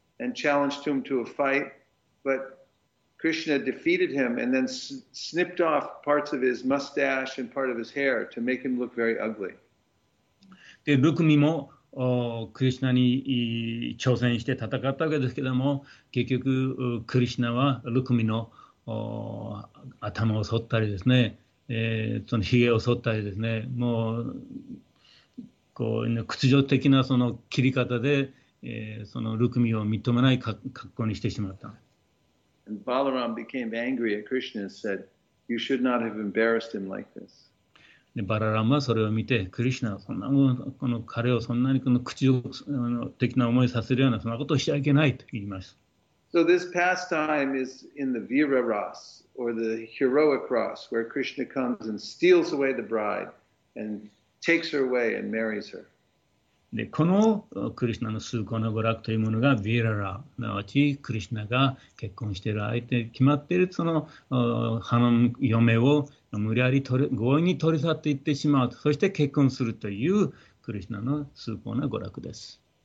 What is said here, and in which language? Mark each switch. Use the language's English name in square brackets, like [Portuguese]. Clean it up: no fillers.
[English] And challenged him to a fight, but Krishna defeated him and then snipped off parts of his mustache and part of his hair to make him look very ugly. [Japanese] で、ルクミもクリシナに挑戦して戦ったわけですけども、結局クリシナはルクミの頭を剃ったりですね、そのひげを剃ったりですね、もうこう屈辱的なその切り方で。そのルクミを認めない格好にしてしまった。 [English] And Balaram became angry at Krishna and said, You should not have embarrassed him like this. [Japanese] で、バラランはそれを見て、クリシナはそんなもん、この彼をそんなにこの屈辱的な思いさせるようなそんなことをしちゃいけないと言います。 [English] So this pastime is in the Vira Ras, or the heroic Ras, where Krishna comes and steals away the bride and takes her away and marries her. [Japanese] で、このクリシナの崇高な娯楽というものがヴィララ、なわちクリシナが結婚している相手に決まっているその花の嫁を無理やり強引に取り去っていってしまう、そして結婚するというクリシナの崇高な娯楽です。